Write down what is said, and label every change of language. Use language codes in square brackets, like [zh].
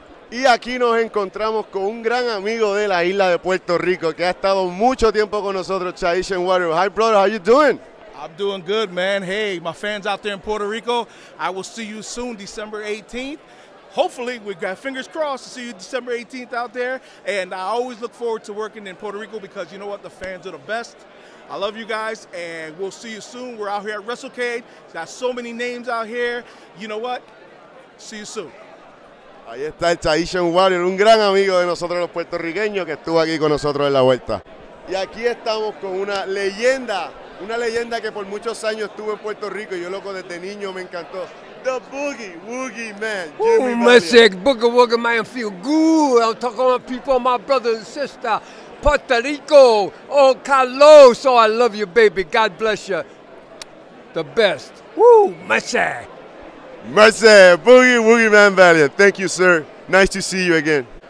[es] Y aquí nos encontramos con un gran amigo de la isla de Puerto Rico que ha estado mucho tiempo con nosotros, Chaishan Warrior. [en] Hi, brother, how you doing? I'm doing good, man. Hey, my fans out there in Puerto Rico, I will see you soon, December 18th. Hopefully, we got fingers crossed to see you December 18th out there. And I always look forward to working in Puerto Rico because you know what? The fans are the best. I love you guys, and we'll see you soon. We're out here at WrestleCade. Got so many names out here. You know what? See you soon. [es] Ahí está el Chaishan Warrior, un gran amigo de nosotros los puertorriqueños que estuvo aquí con nosotros en La Vuelta. Y aquí estamos con una leyenda que por muchos años estuvo en Puerto Rico y yo loco desde niño me encantó. [en] The Boogie, Woogie Man, Jimmy Valiant. Boogie Woogie Man, feel good. I'm talking about people, my brother and sister. Puerto Rico, oh Carlos, oh I love you baby, God bless you, the best, woo, Mercy, Boogie Woogie Man Valiant, thank you sir, nice to see you again.